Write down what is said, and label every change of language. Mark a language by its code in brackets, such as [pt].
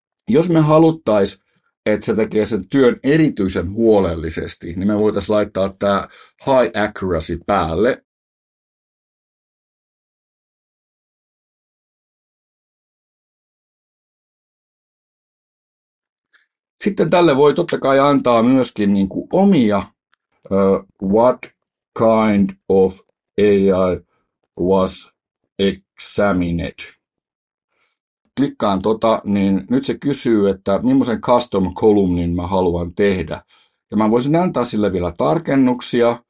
[fi] Jos me haluttaisiin, että se tekee sen työn erityisen huolellisesti, niin me voitaisiin laittaa tämä [en] high accuracy [fi] päälle. Sitten tälle voi totta kai antaa myöskin niin kuin omia. [en] What kind of AI was examined? [fi] Klikkaan niin nyt se kysyy, että millaisen custom-kolumnin mä haluan tehdä. Ja mä voisin antaa sille vielä tarkennuksia.